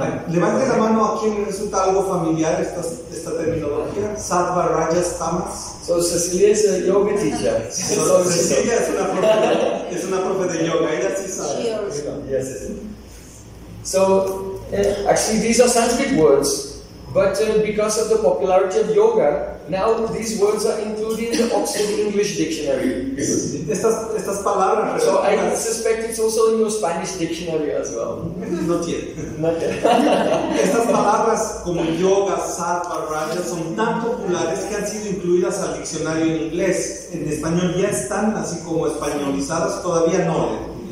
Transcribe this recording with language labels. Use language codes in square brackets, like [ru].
[es] Levanten la mano a quien resulta algo familiar esta terminología. Sattva, rajas, tamas. [en] So Cecilia is a yoga teacher. [es] So Cecilia es una profe de yoga. Ella sí sabe. [en] Yes. So actually these are Sanskrit words, but because of the popularity of yoga, now these words are included in the Oxford English Dictionary. [es] Estas palabras. [en] So I suspect it's also in your Spanish dictionary as well. Not yet. [es] Estas palabras como yoga, sattva, raja son tan populares que han sido incluidas al diccionario en inglés. En español ya están, así como españolizadas, todavía no.